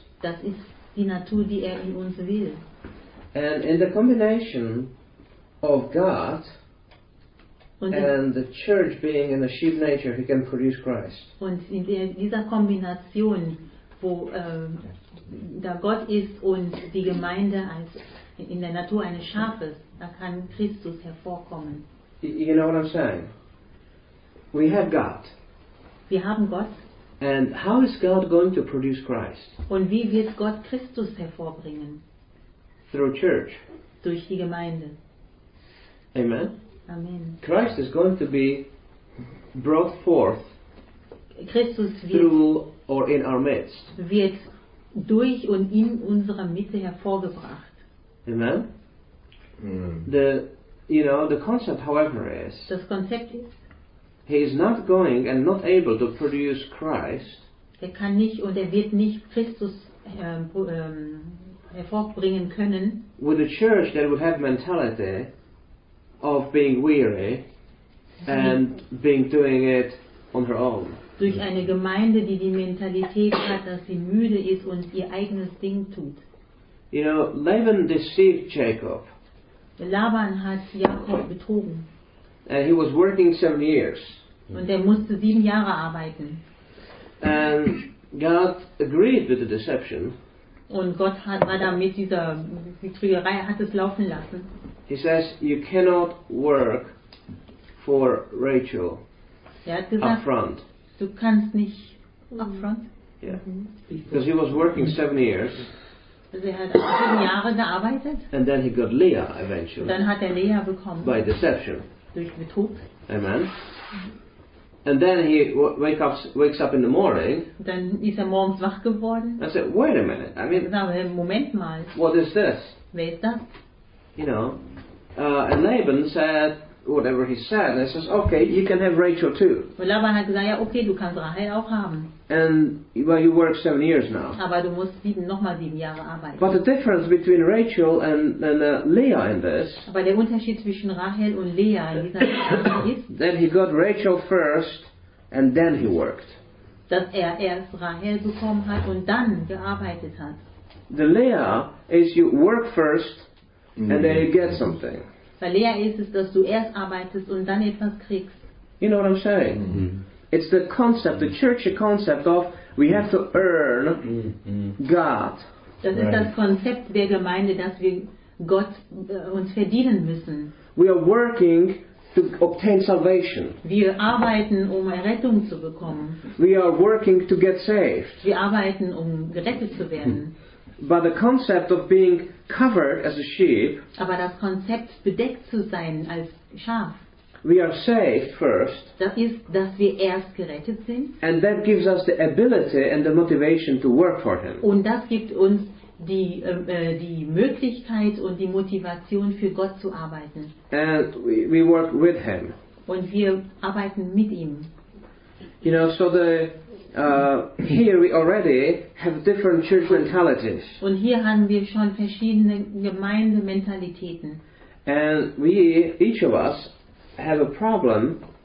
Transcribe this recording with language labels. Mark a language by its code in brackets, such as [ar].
[de] Das ist die Natur, die er in uns will. [en] And in the combination of God and the church being in a sheep nature, he can produce Christ. [de] Und in dieser Kombination, wo da Gott ist und die Gemeinde als in der Natur eine Schaf ist, da kann Christus hervorkommen. [en] You know what I'm saying? We have God. [de] Wir haben Gott. [en] And how is God going to produce Christ? [de] Und wie wird Gott Christus hervorbringen? [en] Through church. [de] Durch die Gemeinde. Amen. Amen. [en] Christ is going to be brought forth [de] Christus wird [en] through or in our midst. [de] Wird durch und in unserer Mitte hervorgebracht. [en] Amen. Amen. The, you know, the concept, however, is [de] das Konzept ist, [en] he is not going and not able to produce Christ. [de] Er kann nicht und er wird nicht Christus hervorbringen können. [en] With a church that would have mentality of being weary and being doing it on her own. [de] Durch eine Gemeinde, die Mentalität hat, dass sie müde ist und ihr eigenes Ding tut. [en] You know, Laban deceived Jacob. [de] Laban hat Jakob betrogen. [en] And he was working 7 years. [de] Und musste 7 Jahre arbeiten. [en] And God agreed with the deception. [de] Und Gott hat mit dieser Betrügerei hat es laufen lassen. [en] He says, you cannot work for Rachel. [de] Gesagt, [en] upfront. [de] Du kannst nicht upfront. [en] Yeah. Because he was working 7 years. [de] Also hat 7 Jahre gearbeitet. [en] And then he got Leah eventually. [de] Dann hat Leah bekommen. [en] By deception. [de] Durch Betrug. Amen. [en] And then he wakes up in the morning. [de] Dann ist morgens wach geworden. [en] I said, wait a minute. I mean, [de] Moment mal. [en] What is this? [de] Wer ist das? [en] You know, and Laban said whatever he said. And he says, okay, you can have Rachel too. [de] Und Laban hat gesagt, ja, okay, du kannst Rahel auch haben. [en] And well, you work 7 years now. [de] Aber du musst nochmal sieben Jahre arbeiten. [en] But the difference between Rachel and Leah in this. [de] Aber der Unterschied zwischen Rahel und Leah in dieser ist. [en] That he got Rachel first, and then he worked. [de] Dass erst Rahel bekommen hat und dann gearbeitet hat. [en] The Leah is you work first, and then you get something. [de] Bei Leah ist es, dass du erst arbeitest und dann etwas kriegst. [en] You know what I'm saying? Mm-hmm. [de] It's the concept, the churchy concept of we have to earn God. Das ist das Konzept der Gemeinde, dass wir Gott uns verdienen müssen. [en] We are working to obtain salvation. [de] Wir arbeiten, um Errettung zu bekommen. [en] We are working to get saved. [de] Wir arbeiten, um gerettet zu werden. [en] But the concept of being covered as a sheep. [de] Aber das Konzept, bedeckt zu sein als Schaf. [en] We are saved first. [de] Das ist, dass wir erst gerettet sind. [en] And that gives us the ability and the motivation to work for him. [de] Und das gibt uns die Möglichkeit und die Motivation für Gott zu arbeiten. [en] And we work with him. [de] Und wir arbeiten mit ihm. [en] You know, so here we already have different church mentalities. [de] Und hier haben wir schon verschiedene Gemeindementalitäten. [en] And we, each of us, have a problem.